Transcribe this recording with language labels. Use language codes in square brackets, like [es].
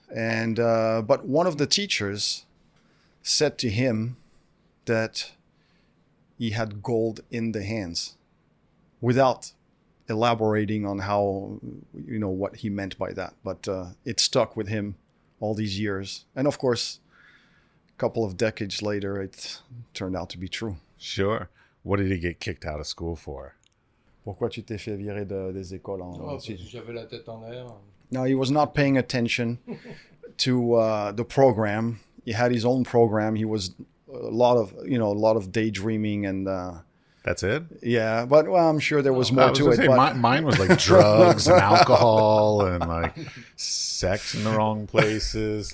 [en] And but one of the teachers said to him that he had gold in the hands without elaborating on how, you know, what he meant by that. But it stuck with him all these years. And of course, a couple of decades later, it turned out to be true. Sure. What did he get kicked out of school for? [fr] Pourquoi tu t'es fait virer des écoles en... Oh, parce que j'avais la tête en l'air. [en] No, he was not paying attention to the program. He had his own program. He was a lot of daydreaming and... That's it? Yeah, but well, I'm sure there was more to it. Mine was like drugs and alcohol and like sex in the wrong places.